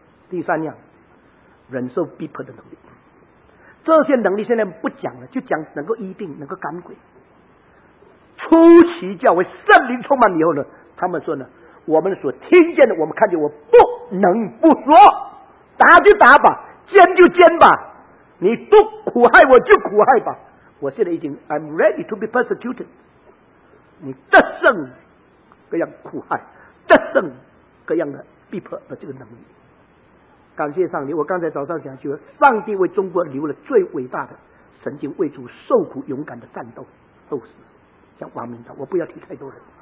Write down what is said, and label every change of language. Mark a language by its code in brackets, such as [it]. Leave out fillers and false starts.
[zh] 第三样，忍受逼迫的能力。这些能力现在不讲了，就讲能够医病，能够赶鬼。初期教会圣灵充满以后呢，他们说呢，我们所听见的，我们看见，我不能不说，打就打吧，奸就奸吧，你不苦害我就苦害吧。 [en] 我现在已经 I'm ready to be persecuted。 [zh] 你得胜各样苦害，得胜各样的逼迫的这个能力，感谢上帝。我刚才早上讲，就是上帝为中国留了最伟大的神经，为主受苦勇敢的战斗斗士，像王明道。我不要提太多人，